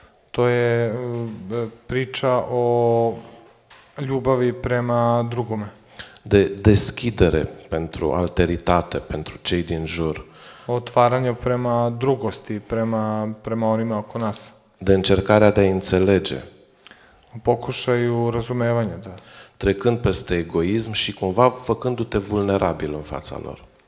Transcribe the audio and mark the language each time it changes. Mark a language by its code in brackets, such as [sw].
[sr] To je priča o ljubavi prema drugome. [ro] De deschidere pentru alteritate, pentru cei din jur. [sr] Otvaranje prema drugosti, prema onima oko nas. [ro] De încercarea de a înțelege. [sr] Pokušaju razumevanja, da. [ro] Trecând peste egoism și cumva făcându-te vulnerabil în fața lor.